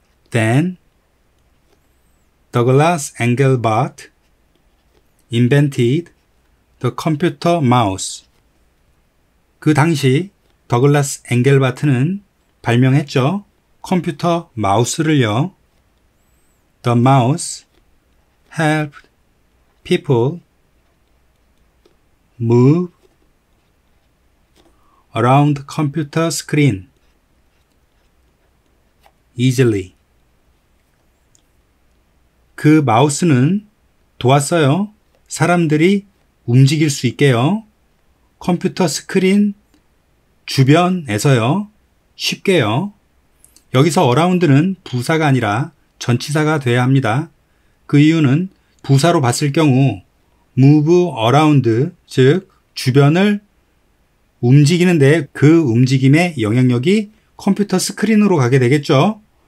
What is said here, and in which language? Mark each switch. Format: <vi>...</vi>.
<en>Then, Douglas Engelbart invented the computer mouse.</en> <ko>그 당시 더글라스 앵겔바트는 발명했죠. 컴퓨터 마우스를요.</ko> <en>The mouse helped people move around computer screen easily.</en> <ko>그 마우스는 도왔어요. 사람들이 움직일 수 있게요. 컴퓨터 스크린 주변에서요. 쉽게요. 여기서 어라운드는 부사가 아니라 전치사가 돼야 합니다. 그 이유는 부사로 봤을 경우 move around, 즉 주변을 움직이는데 그 움직임의 영향력이 컴퓨터 스크린으로 가게 되겠죠.</ko>